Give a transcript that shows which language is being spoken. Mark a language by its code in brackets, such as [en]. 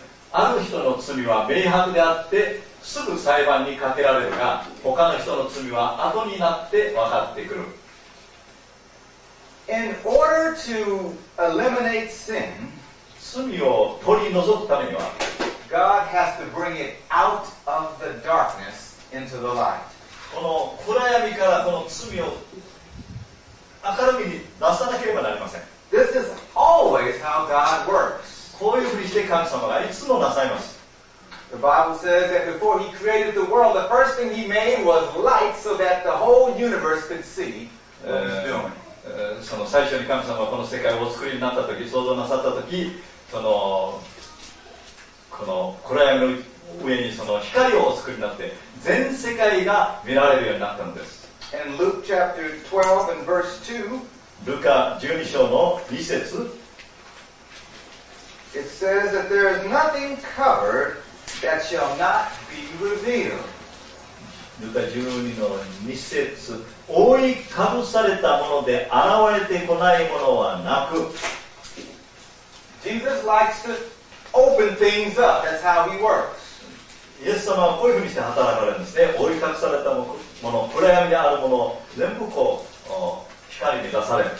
[ja] ある人の罪は明白であってすぐ裁判にかけられるが、他の人の罪は後になって分かってくる。 [en] In order to eliminate sin, [ja] 罪を取り除くためには、 [en] God has to bring it out of the darkness into the light. [ja] この暗闇からこの罪を明るみに出さなければなりません。 [en] This is always how God works. [ja] こういうふうにして神様がいつもなさいます。 [en] The Bible says that before He created the world, the first thing He made was light so that the whole universe could see what He's doing. [ja] その最初に神様はこの世界をお作りになったとき、創造なさったとき、この暗闇の上にその光をお作りになって、全世界が見られるようになったのです。 [en] In Luke chapter 12 and verse 2, [ja] ルカ12章の2節、 [en] It says that there is nothing covered that shall not be revealed. [ja] ルカ12の2節、覆いかぶされたもので現れてこないものはなく、 [en] Jesus likes to open things up. That's how he works. [ja] イエス様はこういうふうにして働かれるんですね。覆い隠されたもの、暗闇であるものを全部こう光に出される。